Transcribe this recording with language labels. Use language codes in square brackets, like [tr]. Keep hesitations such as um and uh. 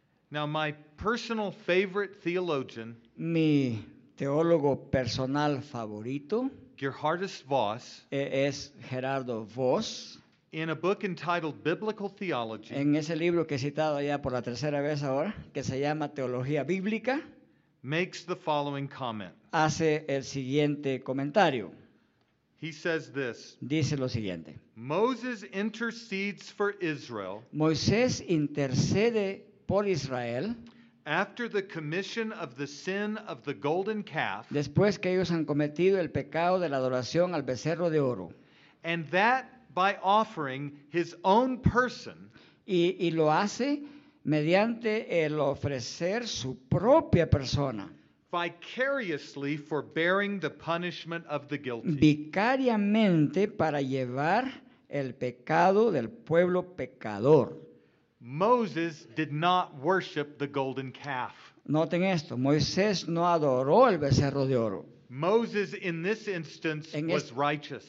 [en] Now my personal favorite theologian, [es] mi teólogo personal favorito, Gerhardus Voss, es Gerardo Voss. [en] In a book entitled Biblical Theology, [es] en ese libro que he citado ya por la tercera vez ahora, que se llama Teología Bíblica, [en] makes the following comment. [es] Hace el siguiente comentario. [en] He says this. [es] Dice lo siguiente. [en] Moses intercedes for Israel. [es] Moisés intercede por Israel. [en] After the commission of the sin of the golden calf. [es] Después que ellos han cometido el pecado de la adoración al becerro de oro. [en] And that by offering his own person. [es] Y, y lo hace. mediante el ofrecer su propia persona. [en] Vicariously the punishment of the guilty. [es] Vicariamente para llevar el pecado del pueblo pecador. [en] Moses did not worship the golden calf. [es] Noten esto, Moisés no adoró el becerro de oro. [en] Moses in this instance [es] en este, [en] was righteous.